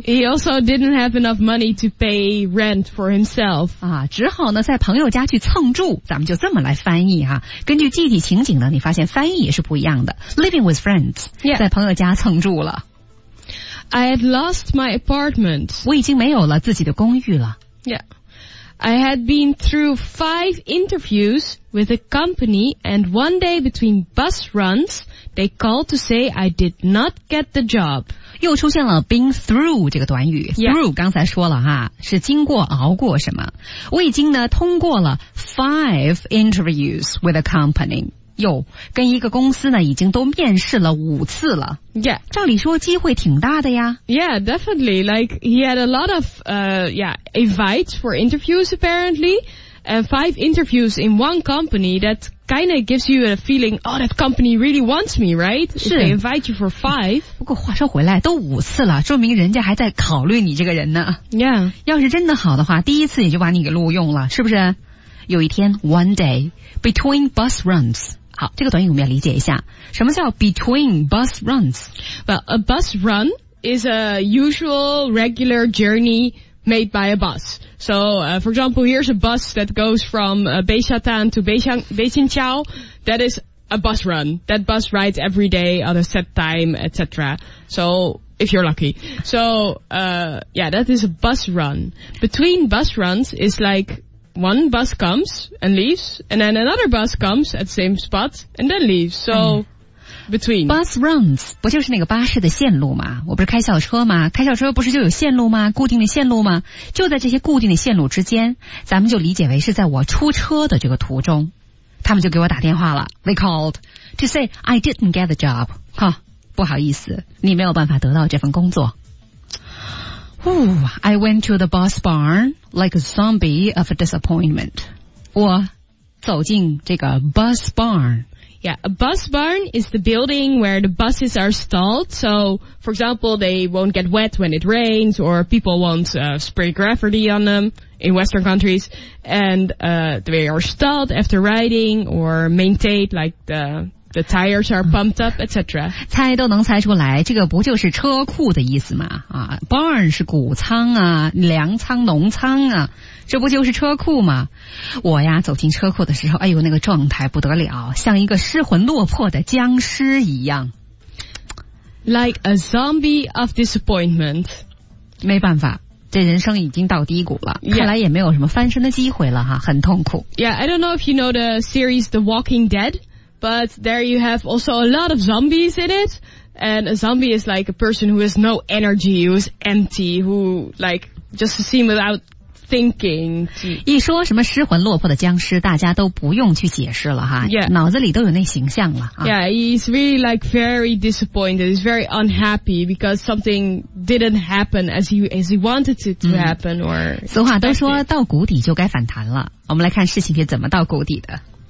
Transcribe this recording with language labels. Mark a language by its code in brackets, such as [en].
[en] He also didn't have enough money to pay rent for himself. [zh] 啊，只好呢在朋友家去蹭住。咱们就这么来翻译哈、啊。根据具体情景呢，你发现翻译也是不一样的。 [en] Living with friends. Yeah. [zh] 在朋友家蹭住了。 [en] I had lost my apartment. [zh] 我已经没有了自己的公寓了。 [en] Yeah. I had been through 5 interviews with a company and one day between bus runs,They called to say I did not get the job. [zh] 又出现了 been through 这个短语、 [en] yeah. [zh] Through 刚才说了哈，是经过熬过什么。我已经呢通过了 [en] 5 interviews with a company. [zh] 哟，跟一个公司呢已经都面试了五次了。 [en] Yeah. [zh] 照理说机会挺大的呀。 [en] Yeah, definitely. Like, he had a lot of, invites for interviews apparently. And 5 interviews in one company, that kind of gives you a feeling, oh, that company really wants me, right? If they invite you for 5. [zh] 不过话说回来，都五次了，说明人家还在考虑你这个人呢。 [en] Yeah. [zh] 要是真的好的话，第一次也就把你给录用了，是不是？有一天 [en] one day between bus runs， [zh] 好，这个短语我们要理解一下，什么叫 between bus runs？ [en] Well, a bus run is a usual regular journey made by a bus. So, for example, here's a bus that goes from Beishatan to Beijingqiao. That is a bus run. That bus rides every day at a set time, etc. So. If you're lucky. So, yeah, that is a bus run. Between bus runs is like one bus comes and leaves, and then another bus comes at the same spot and then leaves. So, between. [zh] Bus runs, 不就是那个巴士的线路吗？我不是开小车吗？开小车不是就有线路吗？固定的线路吗？就在这些固定的线路之间，咱们就理解为是在我出车的这个途中，他们就给我打电话了。 [en] They called to say, I didn't get the job. Huh. [zh] 不好意思，你没有办法得到这份工作。 [en] Ooh, I went to the bus barn like a zombie of a disappointment. [zh] 我走进这个 bus barn. [en] Yeah, a bus barn is the building where the buses are stalled. So, for example, they won't get wet when it rains, or people won't spray graffiti on them in Western countries. And they are stalled after riding or maintained like the tires are pumped up, etc. [zh] 猜都能猜出来，这个不就是车库的意思吗？啊 ，barn 是谷仓啊，粮仓、农仓啊，这不就是车库吗？我呀，走进车库的时候，哎呦，那个状态不得了，像一个失魂落魄的僵尸一样 [en] ，like a zombie of disappointment. [zh] 没办法。这人生已经到低谷了、 [en] yeah. [zh] 看来也没有什么翻身的机会了哈，很痛苦。 [en] Yeah, I don't know if you know the series The Walking Dead. But there you have also a lot of zombies in it. And a zombie is like a person who has no energy, who is empty, who like just seem without thinking. [zh] 一说什么失魂落魄的僵尸，大家都不用去解释了哈。 [en] Yeah. [zh] 脑子里都有那形象了。 [en] Yeah, he's really like very disappointed. He's very unhappy because something didn't happen as he wanted it to happen. Or [zh] 俗话都说到谷底就该反弹了。我们来看事情是怎么到谷底的。